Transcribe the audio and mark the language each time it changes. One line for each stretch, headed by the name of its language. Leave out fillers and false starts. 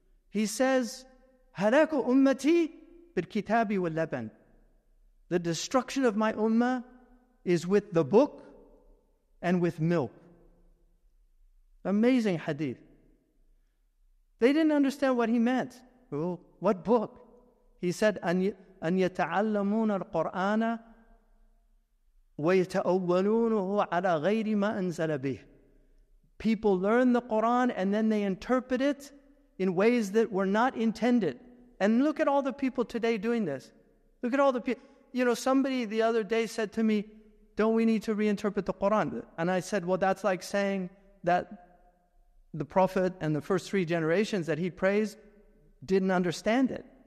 English: He says,
Arabic: Halaku ummati bil-kitabi wal-laban.
English: The destruction of my ummah is with the book and with milk. Amazing hadith. They didn't understand what he meant. Oh, what book? He said,
Arabic: an yata'allamuna al-Qur'ana وَيَتَأَوَّلُونُهُ عَلَىٰ غَيْرِ مَا أَنزَلَ بِهِ.
English: People learn the Qur'an and then they interpret it in ways that were not intended. And look at all the people today doing this. Look at all the people. You know, somebody the other day said to me, don't we need to reinterpret the Qur'an? And I said, well, that's like saying that the Prophet and the first three generations that he praised didn't understand it.